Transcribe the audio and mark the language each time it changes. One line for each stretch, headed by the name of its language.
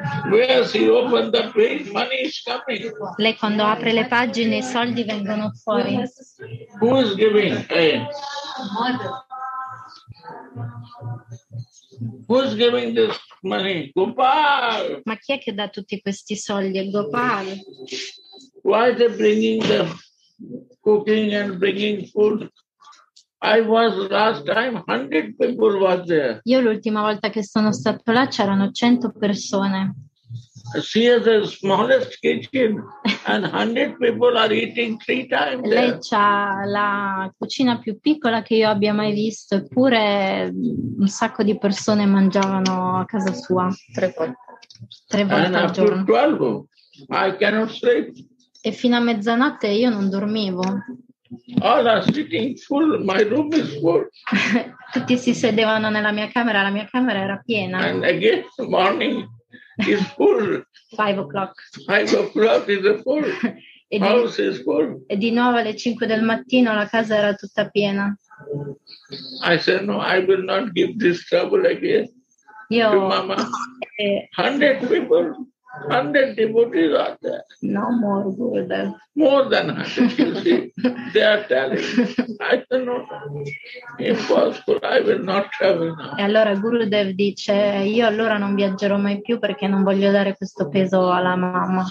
English: Where she open the page, money is coming.
Italian: Lei quando apre le pagine i soldi vengono fuori.
English: Who is giving? Who is giving this money? Gopal.
Italian: Ma chi è che dà tutti questi soldi? Gopal.
English: Why they bringing them? cooking and bringing food. I was last time 100 people was there.
Italian: Io l'ultima volta che sono stato là c'erano 100 persone.
English: She has the smallest kitchen and 100 people are eating 3 times.
Italian: Lei c'ha la cucina più piccola che io abbia mai visto, eppure un sacco di persone mangiavano a casa sua tre volte
English: and
Italian: al
English: after
Italian: giorno.
English: 12, I cannot sleep.
Italian: E fino a mezzanotte io non dormivo.
English: All are sitting full, my room is full.
Italian: Tutti si sedevano nella mia camera era piena.
English: And again, morning. It's full. 5 o'clock. 5 o'clock is full. House is full.
Italian: E di nuovo alle 5 del mattino la casa era tutta piena.
English: I said no, I will not give this trouble again.
Italian: Io
English: to mama. 100 people, 100 devotees are there. No more Gurudev. More than 100, you see. They are telling. I said no, impossible, I will not travel now.
Italian: E allora Gurudev dice, io allora non viaggerò mai più perché non voglio dare questo peso alla mamma.